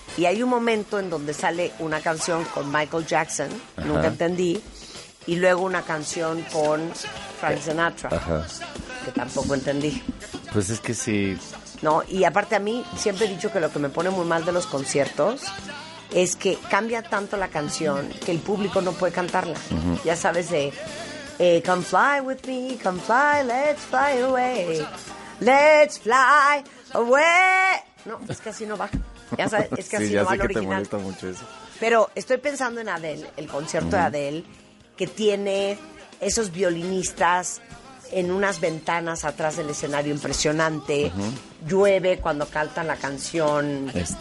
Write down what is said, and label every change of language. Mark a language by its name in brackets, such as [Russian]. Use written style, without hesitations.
[Spanish] Y hay un momento en donde sale una canción con Michael Jackson, ajá, nunca entendí, y luego una canción con Frank Sinatra, ajá, que tampoco entendí. Pues es que sí. No, y aparte a mí siempre he dicho que lo que me pone muy mal de los conciertos es que cambia tanto la canción que el público no puede cantarla. Uh-huh. Ya sabes de [English] come fly with me, come fly, let's fly away, let's fly away. [Spanish] No, es que así no va. Ya sabes, es que sí, así ya no sé que original. Te molesta mucho eso. Pero estoy pensando en Adele, el concierto, uh-huh, de Adele, que tiene esos violinistas en unas ventanas atrás del escenario impresionante. Uh-huh. Llueve cuando cantan la canción.